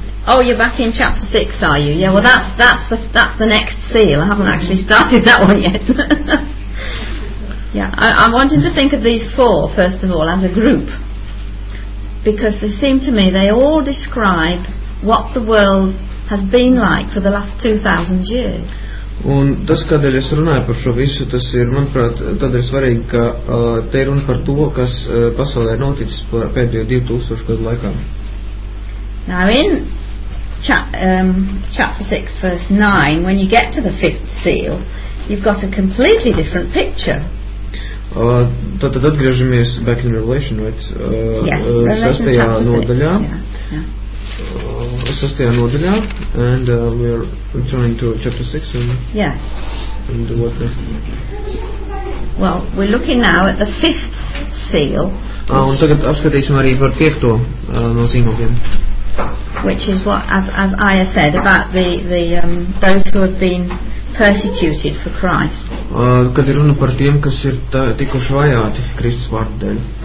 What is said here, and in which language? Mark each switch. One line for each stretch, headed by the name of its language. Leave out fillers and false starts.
English: Oh, you're back in chapter 6, are you? Yeah, well, that's the next seal. I haven't actually started that one yet. I'm wanting to think of these four, first of all, as a group. Because they seem to me they all describe what the world has been like for the last 2000 years.
Latvian: Un tas, kādēļ es runāju par šo visu, tas ir, manuprāt, tādēļ svarīgi, ka te runa par to, kas pasaulē ir noticis pēdējo 2000 gadu laikā.
English: Now in chapter 6 verse 9, when you get to the fifth seal, you've got a completely different picture.
Latvian: Tad atgriežamies
English: back in Revelation, right? Yes,
Latvian: sastajā nodaļā.
English: Yeah.
Latvian: Sastajā nodaļā,
English: and we are returning to chapter 6. And what? Well, we're looking now at the fifth seal.
Latvian: Un tagad apskatīsim arī par piekto no zīmogiem.
English: Which is what, as Aya said, about those who have been persecuted for Christ.
Latvian: Kad ir runa par tiem, kas ir tikuši vajāti Kristus vārdu dēļ.